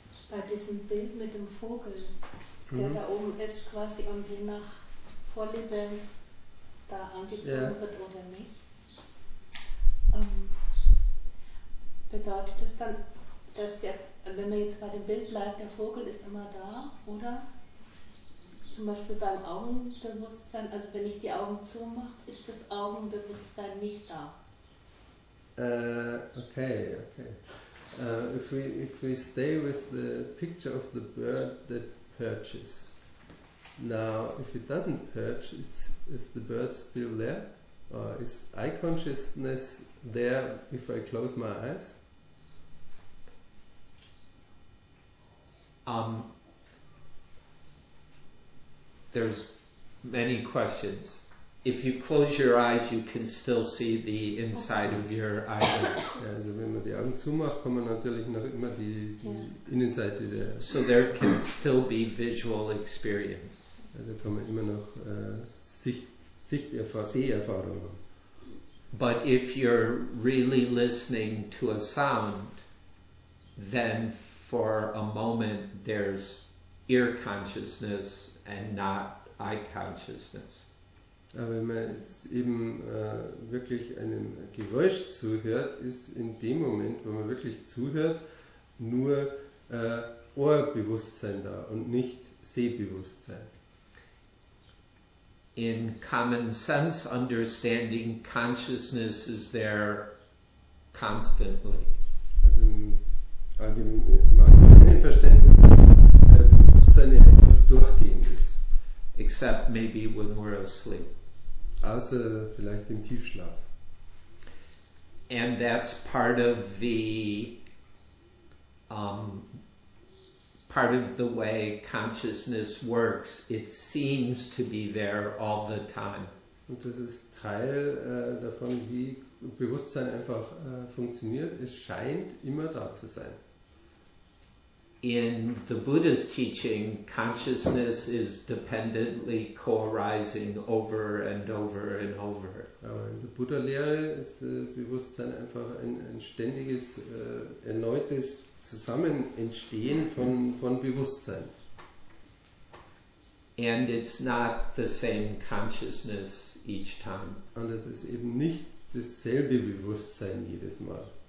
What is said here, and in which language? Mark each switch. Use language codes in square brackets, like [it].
[de] Bei diesem Bild mit dem Vogel, der da oben ist quasi und je nach Vorliebe da angezogen wird oder nicht, bedeutet das dann, dass der, wenn man jetzt bei dem Bild bleibt, der Vogel ist immer da, oder? Zum Beispiel beim Augenbewusstsein, also wenn ich die Augen zumache, ist das Augenbewusstsein nicht da. Okay. [en] If we stay with the picture of the bird that perches, now if it doesn't perch, is the bird still there? Or is eye consciousness there if I close my eyes? There's many questions. If you close your eyes, you can still see the inside of your eyelids. [de] Ja, also wenn man die Augen zumacht, kann man natürlich noch immer die Innenseite der. [en] So there can still be visual experience. [de] Also kann man immer noch Seherfahrungen. [en] But if you're really listening to a sound, then for a moment there's ear consciousness and not eye consciousness. [de] Aber wenn man jetzt eben wirklich einem Geräusch zuhört, ist in dem Moment, wo man wirklich zuhört, nur Ohrbewusstsein da und nicht Sehbewusstsein. [en] In common sense understanding, consciousness is there constantly. [de] Also im allgemeinen Verständnis ist Bewusstsein ja etwas Durchgehendes. [en] Except maybe when we're asleep. [de] Außer vielleicht im Tiefschlaf. [en] And that's part of the part of the way consciousness works. It seems to be there all the time. [de] Und das ist Teil davon, wie Bewusstsein einfach funktioniert. Es scheint immer da zu sein. [en] In the Buddha's teaching, consciousness is dependently co-arising over and over and over. [de] Aber in der Buddha-Lehre ist Bewusstsein einfach ein ständiges, erneutes Zusammenentstehen von Bewusstsein. [en] And it's not the same consciousness each time. [de] Und es ist eben nicht dasselbe Bewusstsein jedes Mal.